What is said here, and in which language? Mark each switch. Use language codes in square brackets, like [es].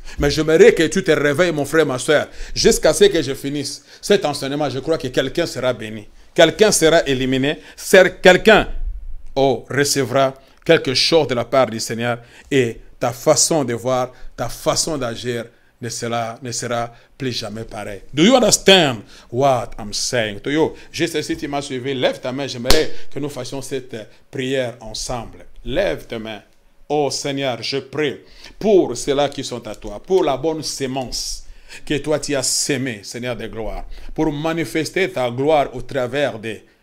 [fr] Mais j'aimerais que tu te réveilles, mon frère, ma soeur, jusqu'à ce que je finisse cet enseignement. Je crois que quelqu'un sera béni, quelqu'un sera éliminé, quelqu'un recevra quelque chose de la part du Seigneur, et ta façon de voir, ta façon d'agir ne sera plus jamais pareil. [en] Do you understand what I'm saying to you? [fr] Juste si tu m'as suivi, lève ta main, j'aimerais que nous fassions cette prière ensemble. Lève ta main. Oh Seigneur, je prie pour ceux-là qui sont à toi, pour la bonne semence que toi tu as semée, Seigneur de gloire, pour manifester ta gloire au travers de...